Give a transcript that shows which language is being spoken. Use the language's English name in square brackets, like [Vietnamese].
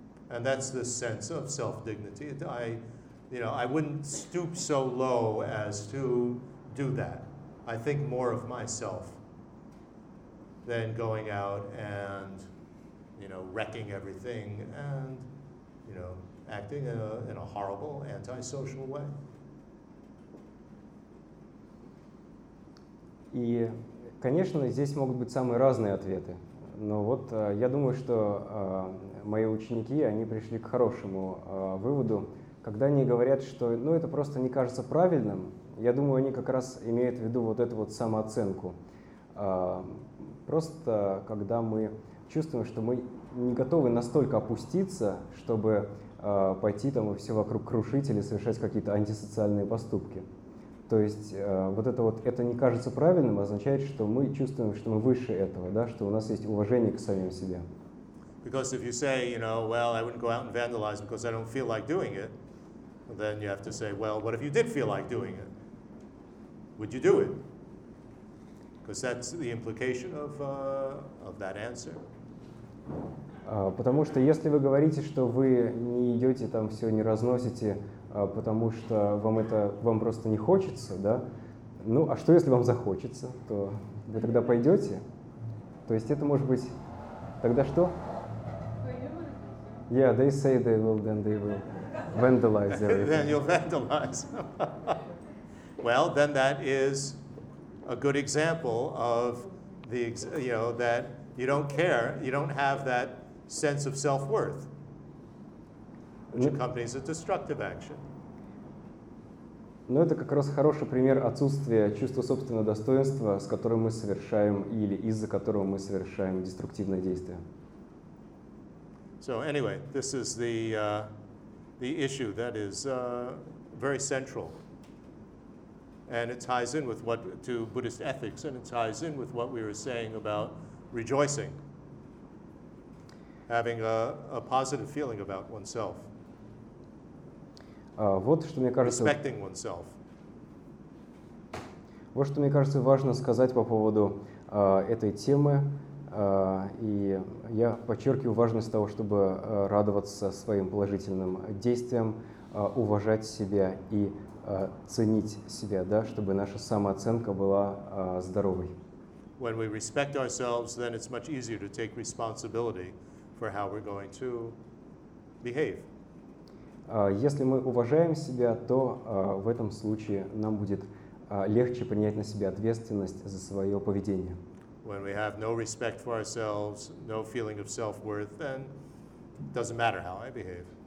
[English] And that's the sense of self-dignity. I wouldn't stoop so low as to do that. I think more of myself than going out and wrecking everything and, acting in a horrible, antisocial way. [Russian] И, конечно, здесь могут быть самые разные ответы. Но вот я думаю, что мои ученики, они пришли к хорошему выводу, когда они говорят, что это просто не кажется правильным. Я думаю, они как раз имеют в виду вот эту вот самооценку. Просто когда мы чувствуем, что мы не готовы настолько опуститься, чтобы пойти там и все вокруг крушить или совершать какие-то антисоциальные поступки. То есть это не кажется правильным, означает, что мы чувствуем, что мы выше этого, да, что у нас есть уважение к самим себе. [English] Because if you say, you know, well, I wouldn't go out and vandalize because I don't feel like doing it, then you have to say, well, what if you did feel like doing it? Would you do it? Because that's the implication of that answer. [Russian] Потому что если вы говорите, что вы не идете там все, не разносите, потому что вам это вам просто не хочется, да? Ну, а что если вам захочется, то вы тогда пойдете? То есть это может быть тогда что? [English] Yeah, they say they will, then they will vandalize everything. Then you'll vandalize. Well, then that is a good example of the, you know, that you don't care, you don't have that sense of self-worth, which accompanies a destructive action. [Russian] Ну, это как раз хороший пример отсутствия чувства собственного достоинства, с которым мы совершаем или из-за которого мы совершаем деструктивное действие. [English] So anyway, this is the issue that is very central. And it ties in with what to Buddhist ethics, and it ties in with what we were saying about rejoicing, having a positive feeling about oneself. [Russian] Вот что мне кажется. [English] Respecting oneself. [Russian] Вот что мне кажется важно сказать по поводу этой темы. И я подчеркиваю важность того, чтобы радоваться своим положительным действиям, уважать себя и ценить себя, да, чтобы наша самооценка была здоровой. [English] When we respect ourselves, then it's much easier to take responsibility for how we're going to behave. [Russian] Если мы уважаем себя, то в этом случае нам будет легче принять на себя ответственность за свое поведение. [English] When we have no respect for ourselves, no feeling of self-worth, then it doesn't matter how I behave.